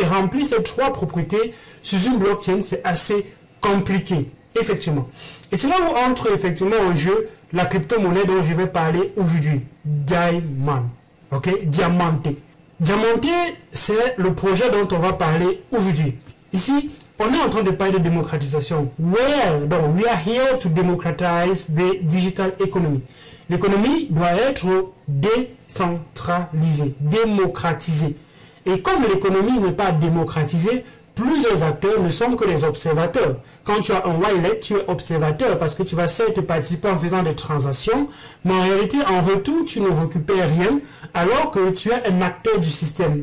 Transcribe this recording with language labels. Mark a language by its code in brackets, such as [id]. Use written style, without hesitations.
[fr] Et remplir ces trois propriétés sur une blockchain, c'est assez compliqué, effectivement. Et c'est là où entre effectivement en jeu la crypto-monnaie dont je vais parler aujourd'hui, Diamond. Ok? Diamanté. Diamanté, c'est le projet dont on va parler aujourd'hui. Ici, on est en train de parler de démocratisation. [en] Well, donc, we are here to democratize the digital economy. [fr] L'économie doit être décentralisée, démocratisée. Et comme l'économie n'est pas démocratisée, Plusieurs acteurs ne sont que les observateurs. Quand tu as un wallet, tu es observateur parce que tu vas certes participer en faisant des transactions, mais en réalité, en retour, tu ne récupères rien alors que tu es un acteur du système.